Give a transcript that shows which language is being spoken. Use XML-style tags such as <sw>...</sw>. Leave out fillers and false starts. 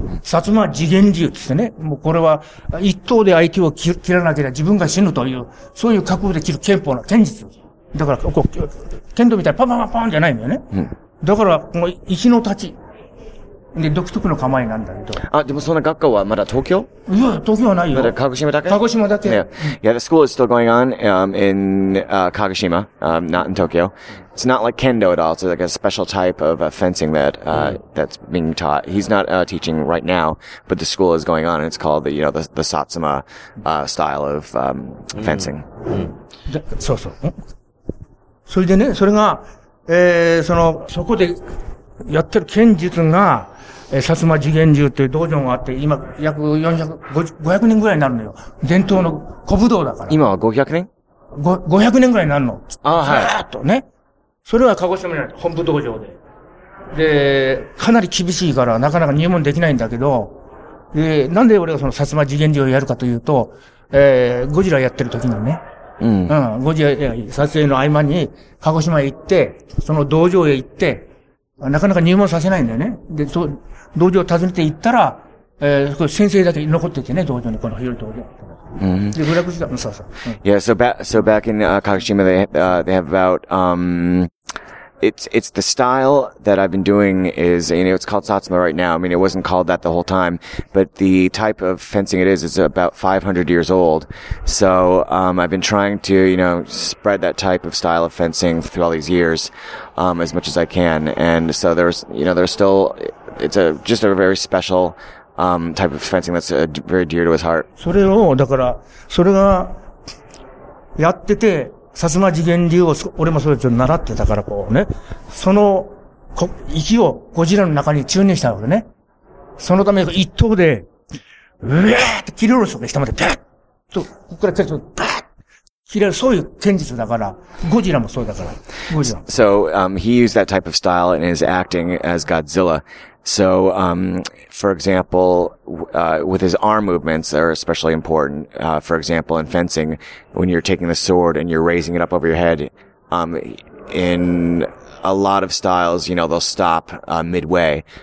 <ja>薩摩次元流って言ってね。もうこれは一刀で相手を切らなければ自分が死ぬという、そういう覚悟で切る剣法の剣術。だから、剣道みたいにパンパンパンパンじゃないんだよね。うん、だから、この石の立ち。で、独特の構えなんだけど。あ、でもその学校はまだ東京？いや、東京はないよ。まだ鹿児島だけ？鹿児島だけ。</ja> <en>Yeah, the school is still going on, in, Kagoshima, not in Tokyo. It's not like kendo at all. It's like a special type of fencing that, that's being taught. He's not, teaching right now, but the school is going on, and it's called the, you know, the Satsuma, style of, fencing.</en> <ja>そうそう。それでね、それが、その、そこでやってる剣術が、薩摩次元流という道場があって、今約400、500人ぐらいになるのよ。伝統の古武道だから。今は500人 ?500 年ぐらいになるの。ああ、はい。ずっとね。それは鹿児島にある本部道場で。で、かなり厳しいからなかなか入門できないんだけど、で、なんで俺がその薩摩次元流をやるかというと、ゴジラやってる時のね。うん。ゴジラ撮影の合間に鹿児島へ行って、その道場へ行って、なかなか入門させないんだよね。で、そう、道場を訪ねて行ったら、先生だけ残っててね、道場に、この広い道場。 Mm-hmm. で、裏口だ、そうそう。うん、</ja> <en>yeah, so back in, Kagoshima, they have about, it's the style that I've been doing is, you know, it's called Satsuma right now. I mean, it wasn't called that the whole time, but the type of fencing it is about 500 years old. So, I've been trying to, you know, spread that type of style of fencing through all these years, as much as I can. And so there's, you know, there's still, it's just a very special, type of fencing that's very dear to his heart.</en> <ja>それを、だから、それが、やってて、薩摩次元流を俺もそれぞれ習ってたからこうね、その息をゴジラの中に注入したわけね。そのため一刀でうえーって切れるんですよ。下までペッとここから切るとバッ切れる、そういう剣術だからゴジラもそうだから。ゴジラ。</ja> <en>So he used that type of style in his acting as Godzilla. So for example, with his arm movements are especially important. For example, in fencing, when you're taking the sword and you're raising it up over your head, in a lot of styles, you know, they'll stop midway.</en>